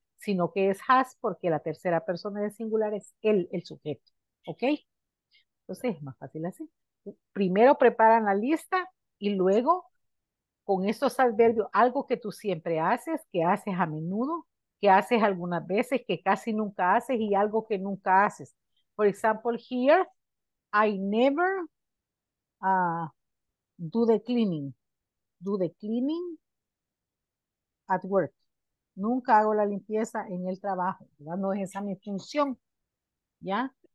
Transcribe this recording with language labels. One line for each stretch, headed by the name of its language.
Spanish: Sino que es has porque la tercera persona del singular es él, el sujeto, ¿ok? Entonces es más fácil así. Primero preparan la lista y luego con estos adverbios, algo que tú siempre haces, que haces a menudo, que haces algunas veces, que casi nunca haces y algo que nunca haces.
English: For example, here, I never do the cleaning at work.
Spanish: Nunca hago la limpieza en el trabajo, ¿verdad? No es esa mi función, ¿ya?